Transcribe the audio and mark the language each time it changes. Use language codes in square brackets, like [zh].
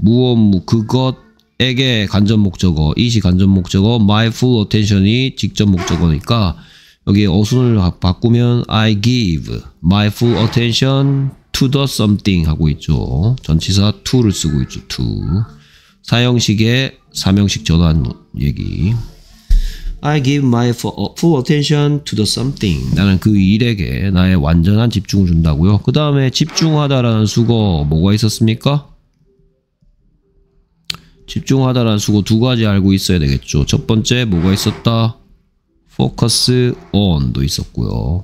[ko] 무엇, 그것에게 간접 목적어, 이시 간접 목적어, my full attention이 직접 목적어니까 여기 어순을 바꾸면 [en] I give my full attention to the something [ko] 하고 있죠. 전치사 to를 쓰고 있죠. to 사형식의 사명식 전환 얘기. [en] I give my full attention to the something. [ko] 나는 그 일에게 나의 완전한 집중을 준다고요. 그 다음에 집중하다라는 수거 뭐가 있었습니까? 집중하다라는 수거 두 가지 알고 있어야 되겠죠. 첫 번째 뭐가 있었다? focus on도 있었고요.